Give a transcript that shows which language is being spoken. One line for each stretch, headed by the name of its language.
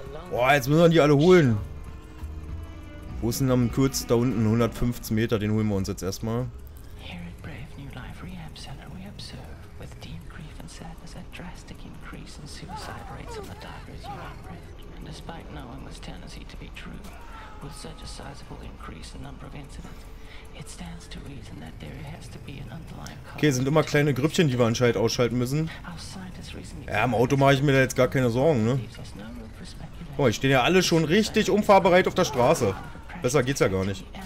German: Boah, jetzt müssen wir die alle holen. Wo ist denn am kürzesten da unten? 115 Meter, den holen wir uns jetzt erstmal.
English: Here at Brave New Life Rehab Center, we observe with deep grief and sadness a drastic increase in suicide rates of the divers you operate. And despite knowing this tendency to be true, with such a sizable increase in number of incidents, it stands to reason that there has to be an underlying cause.
German: Okay, sind immer kleine Grüppchen, die wir anscheinend ausschalten müssen. Ja, im Auto mache ich mir da jetzt gar keine Sorgen, ne? Boah, ich stehe ja alle schon richtig umfahrbereit auf der Straße. Besser geht's ja gar nicht.